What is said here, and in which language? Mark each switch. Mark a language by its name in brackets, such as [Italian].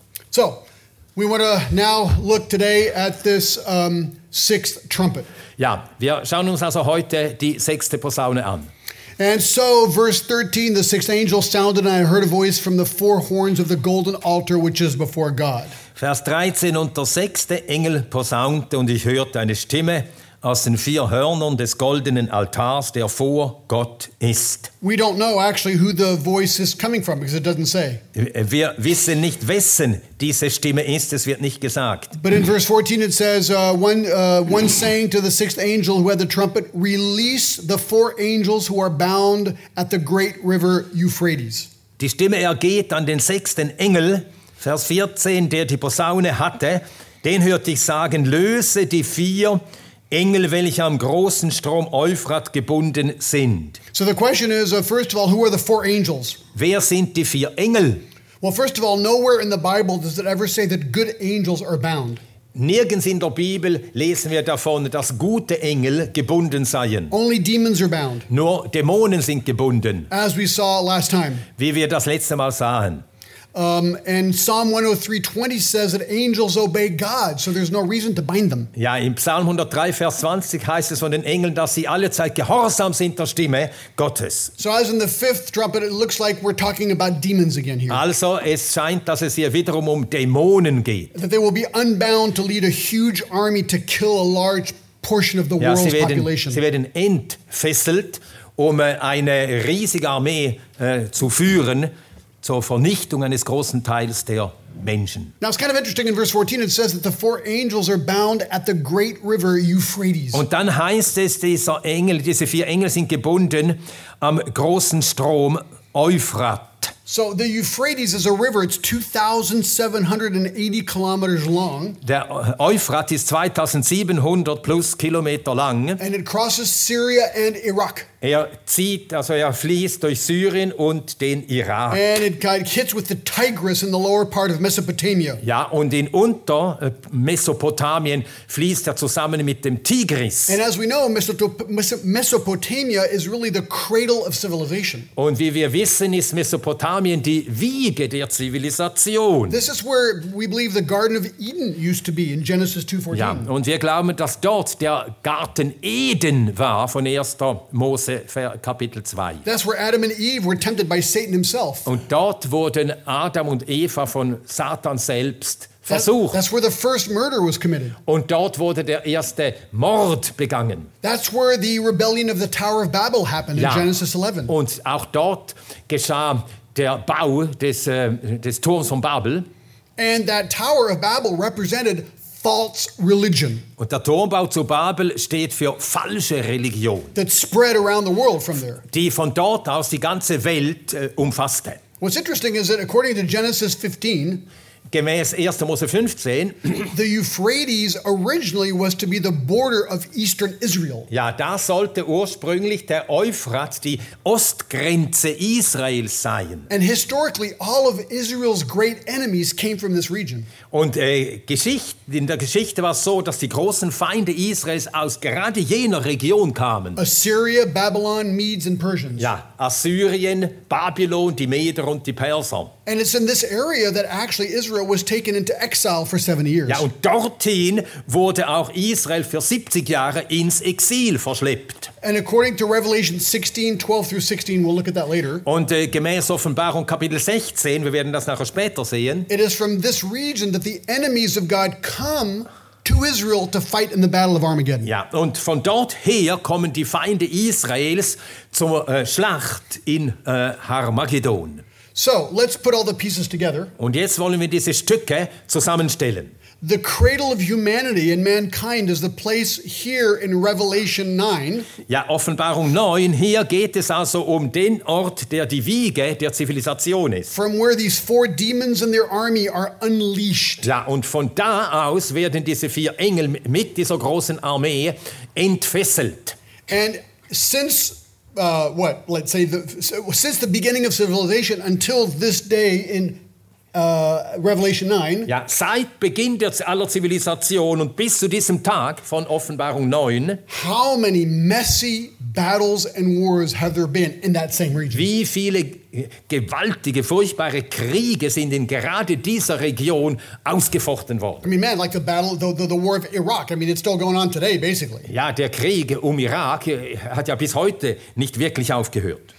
[English] So, we want to now look today at this sixth trumpet. [German] Ja, wir schauen uns also heute die sechste Posaune an. [English] And so, verse 13, the sixth angel sounded, and I heard a voice from the four horns of the golden altar, which is before God. [German] Vers 13, und der sechste Engel posaunte, und ich hörte eine Stimme aus den vier Hörnern des goldenen Altars, der vor Gott ist. [English] We don't know actually who the voice is coming from, because it doesn't say. [German] Wir wissen nicht, wessen diese Stimme ist, es wird nicht gesagt. [English] But in verse 14 it says, one saying to the sixth angel who had the trumpet, release the four angels who are bound at the great river Euphrates. [German] Die Stimme ergeht an den sechsten Engel, Vers 14, der die Posaune hatte, den hörte ich sagen, löse die vier Engel, welche am großen Strom Euphrat gebunden sind. [English] So the question is, first of all, who are the four angels? [German] Wer sind die vier Engel? [English] Well, first of all, nowhere in the Bible does it ever say that good angels are bound. [German] Nirgends in der Bibel lesen wir davon, dass gute Engel gebunden seien. [English] Only demons are bound. [German] Nur Dämonen sind gebunden. [English] As we saw last time. [German] Wie wir das letzte Mal sahen. [English] And Psalm 103:20 says that angels obey God, so there's no reason to bind them. [German] Ja, in Psalm 103, Vers 20 heißt es von den Engeln, dass sie allezeit gehorsam sind der Stimme Gottes. [English] So as in the fifth trumpet, it looks like we're talking about demons again here. [German] Also, es scheint, dass es hier wiederum um Dämonen geht. [English] That they will be unbound to lead a huge army to kill a large portion of the world's population. [German] Sie werden entfesselt, um eine riesige Armee zu führen, zur Vernichtung eines großen Teils der Menschen. [English] Now it's kind of interesting in verse 14 it says that the four angels are bound at the great river Euphrates. [German] Und dann heißt es, diese vier Engel sind gebunden am großen Strom Euphrat. [English] So the Euphrates is a river, it's 2,780 kilometers long. [German] Der Euphrat ist 2,700 plus Kilometer lang. [English] And it crosses Syria and Iraq. [German] Er fließt durch Syrien und den Irak. [English] And it hits with the Tigris in the lower part of Mesopotamia. [German] Ja, und in Untermesopotamien fließt er zusammen mit dem Tigris. [English] And as we know, Mesopotamia is really the cradle of civilization. [German] Und wie wir wissen, ist Mesopotamien die Wiege der Zivilisation. [English] This is where we believe the Garden of Eden used to be in Genesis 2:14. [German] Ja, und wir glauben, dass dort der Garten Eden war von 1. Mose. Kapitel 2. [English] That's where Adam and Eve were tempted by Satan himself. [German] Und dort wurden Adam und Eva von Satan selbst versucht. [English] That's where the first murder was committed. [German] Und dort wurde der erste Mord begangen. [English] That's where the rebellion of the Tower of Babel happened in [German] ja. [English] Genesis 11. [German] Und auch dort geschah der Bau des Turms von Babel. [English] And that Tower of Babel represented false religion. [German] Und der Turmbau zu Babel steht für falsche Religion. [English] That spread around the world from there. [German] Die von dort aus die ganze Welt umfasste. [English] What's interesting is that according to Genesis 15, [German] gemäß 1. Mose 15, [English] the Euphrates originally was to be the border of eastern Israel. [German] Ja, da sollte ursprünglich der Euphrat die Ostgrenze Israels sein. [English] And historically, all of Israel's great enemies came from this region. [German] Und in der Geschichte war es so, dass die großen Feinde Israels aus gerade jener Region kamen. [English] Assyria, Babylon, Medes and Persians. [German] Ja, Assyrien, Babylon, die Meder und die Perser. [English] And it's in this area that actually Israel was taken into exile for 7 years. [German] Ja, und dorthin wurde auch Israel für 70 Jahre ins Exil verschleppt. [English] And according to Revelation 16, 12 through 16, we'll look at that later. [German] Und gemäß Offenbarung Kapitel 16, wir werden das nachher später sehen. [English] It is from this region that the enemies of God come to Israel to fight in the battle of Armageddon. [German] Ja, und von dort her kommen die Feinde Israels zur Schlacht in Armageddon. [English] So, let's put all the pieces together. [German] Und jetzt wollen wir diese Stücke zusammenstellen. [English] The cradle of humanity and mankind is the place here in Revelation 9. [German] Ja, Offenbarung 9, hier geht es also um den Ort, der die Wiege der Zivilisation ist. [English] From where these four demons and their army are unleashed. [German] Ja, und von da aus werden diese vier Engel mit dieser großen Armee entfesselt. [English] And since since the beginning of civilization until this day in Revelation 9. [German] Ja, seit Beginn aller Zivilisation und bis zu diesem Tag von Offenbarung 9. [English] How many messy battles and wars have there been in that same region? [German] Wie viele gewaltige, furchtbare Kriege sind in gerade dieser Region ausgefochten worden? [English] I mean, man, like the battle, the war of Iraq. I mean, it's still going on today, basically. [German] Ja, der Krieg Irak hat ja bis heute nicht wirklich aufgehört.